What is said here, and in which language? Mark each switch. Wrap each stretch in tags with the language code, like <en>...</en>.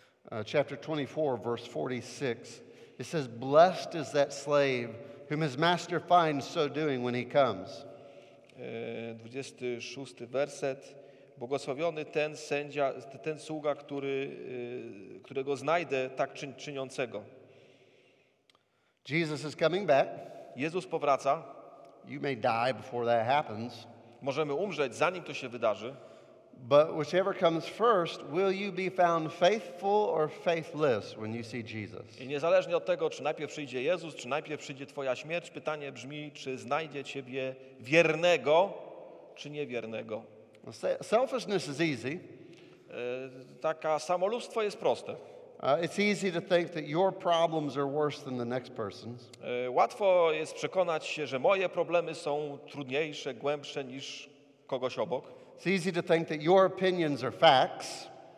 <en>Chapter 24, verse 46, it says, blessed is that slave whom his master finds so doing when he comes.</en> <pl>26 werset. Błogosławiony ten sędzia, ten sługa, którego znajdę tak czyniącego.</pl> <en>Jesus is coming back.</en> <pl>Jezus powraca.</pl> <en>You may die before that happens.</en> <pl>Możemy umrzeć, zanim to się wydarzy.</pl> <en>But whichever comes first, will you be found faithful or faithless when you see Jesus?</en> <pl>I niezależnie od tego, czy najpierw przyjdzie Jezus, czy najpierw przyjdzie twoja śmierć, pytanie brzmi, czy znajdzie ciebie wiernego, czy niewiernego.</pl> <en>Selfishness is easy.</en> <pl>Taka samolubstwo jest proste.</pl> <en>It's easy to think that your problems are worse than the next person's.</en> <pl>Łatwo jest przekonać się, że moje problemy są trudniejsze, głębsze niż kogoś obok.</pl> <en>It's easy to think that your opinions are facts.</en>